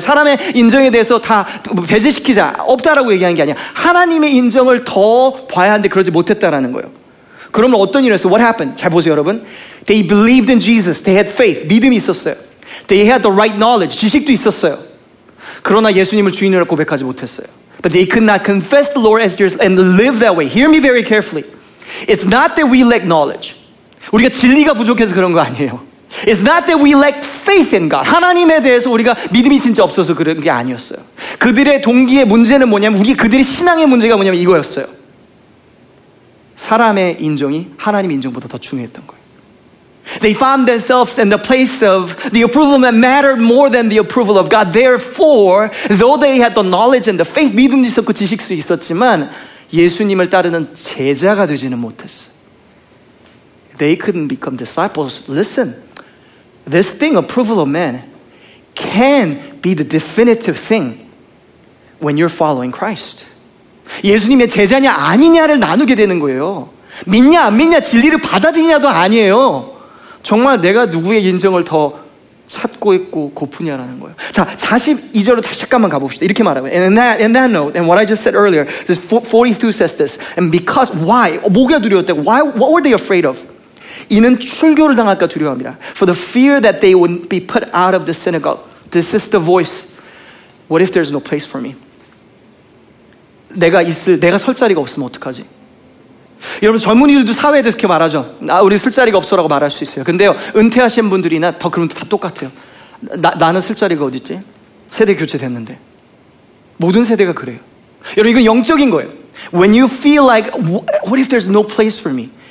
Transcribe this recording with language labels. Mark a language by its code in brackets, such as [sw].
[ko] 사람의 인정에 대해서 다 배제시키자. 없다라고 얘기한 게 아니야. 하나님의 인정을 더 봐야 하는데 그러지 못했다라는 거예요. 그러면 어떤 일에서 [en] what happened? [ko] 잘 보세요, 여러분. [en] They believed in Jesus. They had faith. [ko] 믿음이 있었어요. [en] They had the right knowledge. [ko] 지식도 있었어요. 그러나 예수님을 주인으로 고백하지 못했어요. [en] But they could not confess the Lord as theirs and live that way. Hear me very carefully. It's not that we lack knowledge. [ko] 우리가 진리가 부족해서 그런 거 아니에요. [en] It's not that we lack faith in God. [ko] 하나님에 대해서 우리가 믿음이 진짜 없어서 그런 게 아니었어요. 그들의 동기의 문제는 뭐냐면 우리 그들의 신앙의 문제가 뭐냐면 이거였어요. 사람의 인정이 하나님의 인정보다 더 중요했던 거예요. [en] They found themselves in the place of the approval that mattered more than the approval of God. Therefore, though they had the knowledge and the faith, [ko] 믿음도 있었고 지식도 있었지만 예수님을 따르는 제자가 되지는 못했어. [en] They couldn't become disciples. Listen, this thing, approval of man, can be the definitive thing when you're following Christ. [ko] 예수님의 제자냐 아니냐를 나누게 되는 거예요. 믿냐 안 믿냐 진리를 받아들이냐도 아니에요. 정말 내가 누구의 인정을 더 찾고 있고 고프냐라는 거예요. 자, 42절로 잠깐만 가봅시다. 이렇게 말하고. [en] And that note, and what I just said earlier, this 42 says this. And because, why? [ko] 뭐가 두려웠대? [en] Why? What were they afraid of? [ko] 이는 출교를 당할까 두려워합니다. [en] For the fear that they would be put out of the synagogue. This is the voice. What if there's no place for me? [ko] 내가 설 자리가 없으면 어떡하지? 여러분 젊은이들도 사회에 대해서 이렇게 말하죠. 아, 우리 쓸 자리가 없어라고 말할 수 있어요. 근데요 은퇴하신 분들이나 더 그런 다 똑같아요. 나는 쓸 자리가 어딨지? 세대 교체됐는데. 모든 세대가 그래요. 여러분 이건 영적인 거예요. [en] When you feel like what if there's no place for me?